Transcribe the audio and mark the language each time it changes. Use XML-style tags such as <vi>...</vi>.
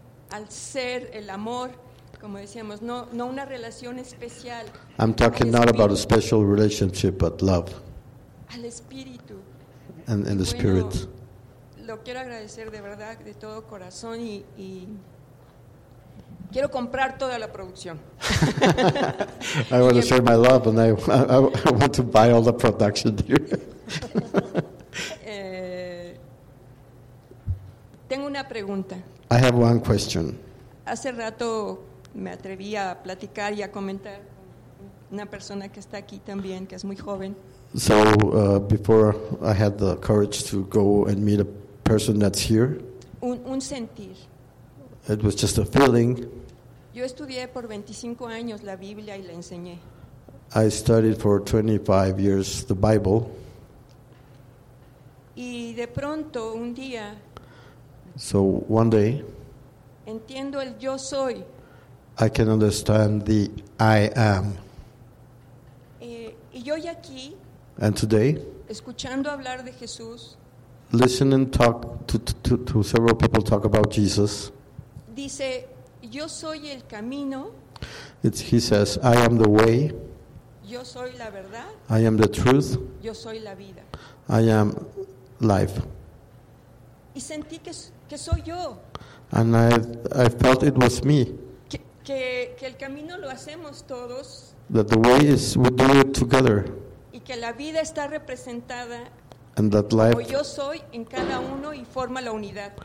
<es>Al ser el amor, como decíamos, no una relación especial.</es> <en>I'm talking not about a special relationship, but love.</en> <es>Al espíritu.</es> <en>And in the</en> <es>bueno,</es> <en>spirit.</en> <es>Lo quiero agradecer de verdad, de todo corazón y quiero comprar toda la producción.</es> <en>I want to share my love and I want to buy all the production here.</en> <es>Tengo una pregunta.</es> <en>I have one question.</en> <es>Hace rato me atreví a platicar y a comentar con una persona que está aquí también, que es muy joven.</es> <en>So before I had the courage to go and meet a person that's here,</en> <es>un sentir.</es> <en>It was just a feeling.</en> <es>Yo estudié por 25 años la Biblia y la enseñé.</es> <en>I studied for 25 years the Bible.</en> <es>Y de pronto, un día,</es> <en>so one day,</en> <es>entiendo el yo soy.</es> <en>I can understand the I am.</en> <es>Y yo aquí,</es> <en>and today,</en> <es>escuchando hablar de Jesús,</es> <en>listening talk to several people talk about Jesus,</en> <es>dice, yo soy el camino.</es> <en>He says, I am the way.</en> <es>Yo soy la verdad.</es> <en>I am the truth.</en> <es>Yo soy la vida.</es> <en>I am life.</en> <es>Y sentí que soy yo.</es> <en>And I felt it was me.</en> <es>Que el camino lo hacemos todos.</es> <en>That the way is, we do it together.</en> <es>Y que la vida está representada.</es> <en>And that life.</en> <es>Como yo soy en cada uno y forma la unidad.</es>